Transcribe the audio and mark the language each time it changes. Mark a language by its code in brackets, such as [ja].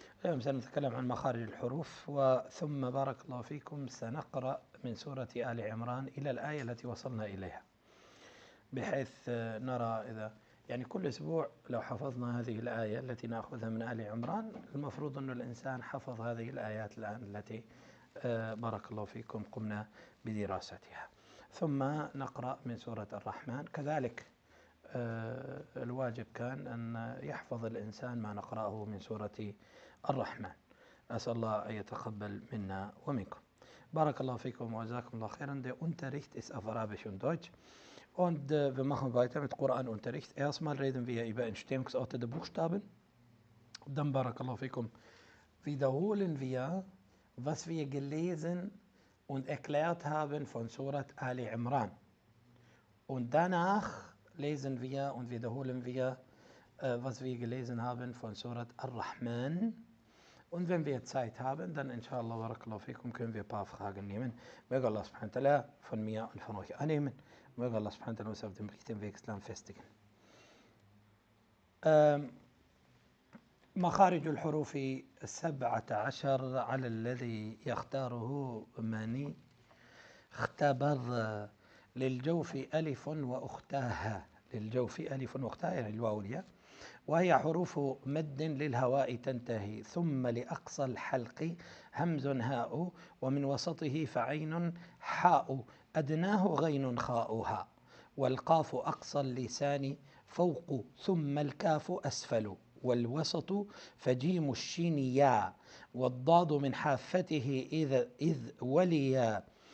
[ar] اليوم سنتكلم عن مخارج الحروف، وثم بارك الله فيكم سنقرأ من سورة آل عمران إلى الآية التي وصلنا إليها، بحيث نرى إذا يعني كل أسبوع لو حفظنا هذه الآية التي نأخذها من آل عمران، المفروض أن الإنسان حفظ هذه الآيات الآن التي بارك الله فيكم قمنا بدراستها. ثم نقرأ من سورة الرحمن، كذلك الواجب كان أن يحفظ الإنسان ما نقرأه من سورة الرحمن. أسأل الله أن يتقبل منا ومنكم. بارك الله فيكم وجزاكم الله خيرا. [de] Der Unterricht ist auf Arabisch und Deutsch. Und wir machen weiter mit Koranunterricht. Erstmal reden wir über Entstehungsorte der Buchstaben. Dann, barakallahu fikum, wiederholen wir, was wir gelesen und erklärt haben von Surat Ali Imran. Und danach lesen wir und wiederholen wir, was wir gelesen haben von Surat Ar-Rahman. Und wenn wir Zeit haben, dann inshallah, barakallahu fikum, können wir ein paar Fragen nehmen. Möge Allah subhanahu wa ta'ala von mir und von euch annehmen. Möge Allah subhanahu wa ta'ala uns auf dem richtigen Weg Islam festigen. [ar] مخارج الحروف السبعة عشر على الذي يختاره مني اختبر للجوف ألف وأختاها للجوف ألف وأختاها يعني الواو الياء، وهي حروف مد للهواء تنتهي ثم لأقصى الحلق همز هاء ومن وسطه فعين حاء أدناه غين خاؤها والقاف أقصى اللسان فوق ثم الكاف أسفل والوسط فجيم الشين يا والضاد من حافته إذ وليا